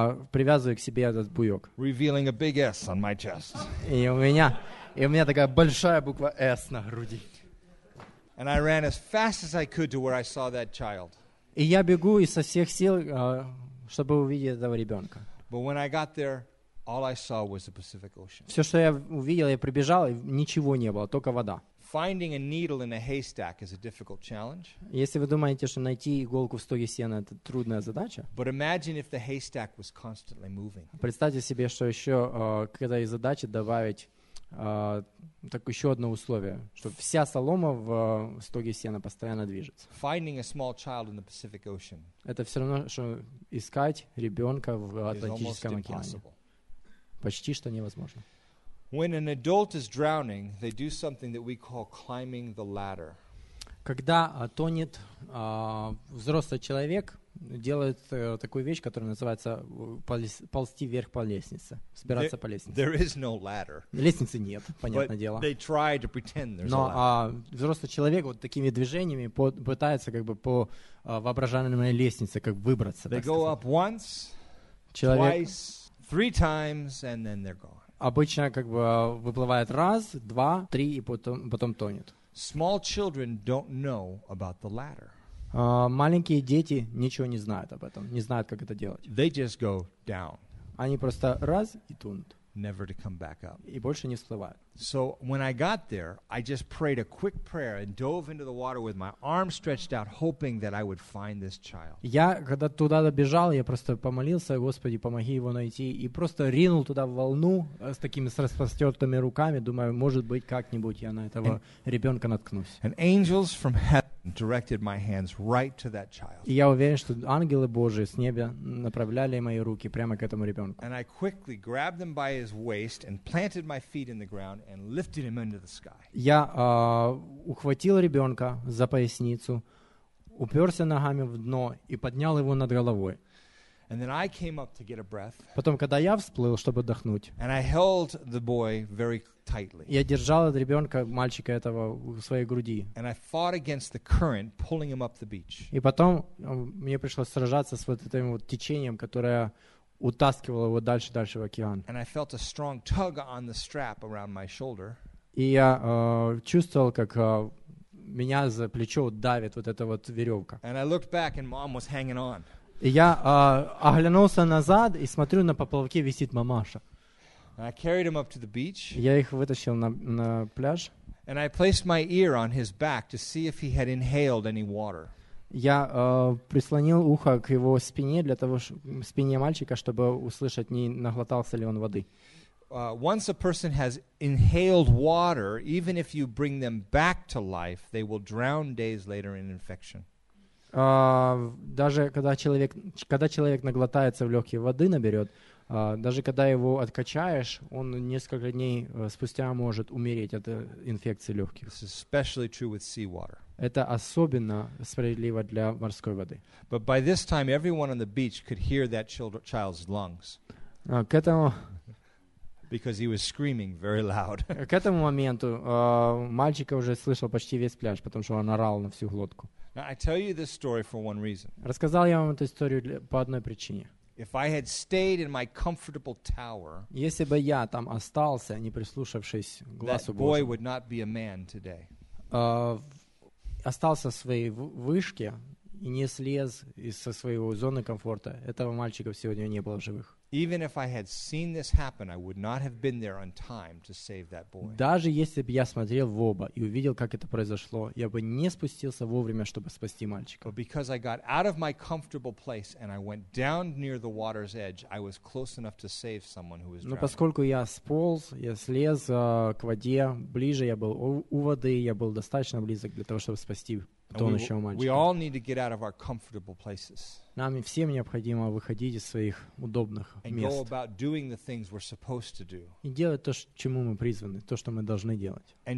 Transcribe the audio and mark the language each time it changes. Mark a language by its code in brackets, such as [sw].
[ru] Привязываю к себе этот буёк. [en] Revealing a big S on my chest. [ru] И у меня такая большая буква S на груди. [en] And I ran as fast as I could to where I saw that child. [ru] И я бегу изо всех сил, чтобы увидеть этого ребёнка. [en] But when I got there, all I saw was the Pacific Ocean. [ru] Все, что я увидел, я прибежал, и ничего не было, только вода. [en] Finding a needle in a haystack is a difficult challenge. [ru] Если вы думаете, что найти иголку в стоге сена это трудная задача. [en] But imagine if the haystack was constantly moving. [ru] Представьте себе, что еще к этой задаче добавить так еще одно условие, что вся солома в стоге сена постоянно движется. [en] Finding a small child in the Pacific Ocean. [ru] Это все равно, что искать ребенка в Атлантическом океане. Почти что невозможно. [en] When an adult is drowning, they do something that we call climbing the ladder. [ru] Когда тонет взрослый человек, делает такую вещь, которая называется ползти вверх по лестнице, взбираться [en] there, [ru] по лестнице. [en] There is no ladder. [ru] Лестницы нет, понятное дело. [en] They try to pretend there's [ru] Но [en] a ladder. [ru] Взрослый человек вот такими движениями пытается как бы по воображаемой лестнице как выбраться. [en] They [ru] так [en] go [ru] сказать. [en] Up once, [ru] человек, [en] twice, three times, and then they're gone. [ru] Обычно как бы выплывает раз, два, три, и потом тонет. [en] Small children don't know about the ladder. [ru] Маленькие дети ничего не знают об этом, не знают, как это делать. [en] They just go down. [ru] Они просто раз и тонут. [en] Never to come back up. [ru] И больше не всплывают. [en] So when I got there, I just prayed a quick prayer and dove into the water with my arm stretched out, hoping that I would find this child. [ru] Я когда туда добежал, я просто помолился, Господи, помоги его найти, и просто ринул туда в волну с такими с распростертыми руками, думаю, может быть, как-нибудь я на этого ребенка наткнусь. [en] And angels from heaven directed my hands right to that child. [ru] И я уверен, что ангелы Божии с неба направляли мои руки прямо к этому ребенку. [en] And I quickly grabbed him by his waist and planted my feet in the ground. And lifted him into the sky. [ru] Я ухватил ребенка за поясницу, уперся ногами в дно и поднял его над головой. [en] And then I came up to get a breath. [ru] Потом, когда я всплыл, чтобы отдохнуть, [en] and I held the boy very tightly. [ru] Я держал от ребенка, мальчика этого, в своей груди. [en] And I fought against the current, pulling him up the beach. [ru] И потом мне пришлось сражаться с вот этим вот течением, которое утаскивал его дальше в океан. [en] And I felt a strong tug on the strap around my shoulder. [ru] И я чувствовал, как меня за плечо давит вот эта вот веревка. [en] And I looked back and mom was hanging on. [ru] И я оглянулся назад и смотрю, на поплавке висит мамаша. [en] And I carried him up to the beach. [ru] Я их вытащил на пляж. [en] And I placed my ear on his back to see if he had inhaled any water. [ru] Я прислонил ухо к его спине для того, чтобы спине мальчика, чтобы услышать, не наглотался ли он воды. [en] Once a person has inhaled water, even if you bring them back to life, they will drown days later in infection. [ru] Даже когда человек наглотается в легкие воды наберет, даже когда его откачаешь, он несколько дней спустя может умереть от инфекции легких. [en] This is especially true with seawater. [ru] Это особенно справедливо для морской воды. [en] But by this time, everyone on the beach could hear that child's lungs. [ru] К этому [en] because he was screaming very loud. [ru] К этому моменту мальчика уже слышал почти весь пляж, потому что он орал на всю глотку. [en] Now, I tell you this story for one reason. [ru] Рассказал я вам эту историю по одной причине. [en] If I had stayed in my comfortable tower, [ru] если бы я там остался, не прислушавшись глазу Божьему, [en] that boy would not be a man today. [ru] Остался в своей вышке и не слез из со своего зоны комфорта, этого мальчика сегодня не было в живых. [en] Even if I had seen this happen, I would not have been there on time to save that boy. [ru] Даже если бы я смотрел в оба и увидел, как это произошло, я бы не спустился вовремя, чтобы спасти мальчика. [en] But because I got out of my comfortable place and I went down near the water's edge, I was close enough to save someone who was drowning. [ru] Но поскольку я сполз, я слез к воде, ближе я был у воды, я был достаточно близок для того, чтобы спасти тонущего мальчика. [en] We all need to get out of our comfortable places. [ru] Нам всем необходимо выходить из своих удобных мест и делать то, чему мы призваны, то, что мы должны делать.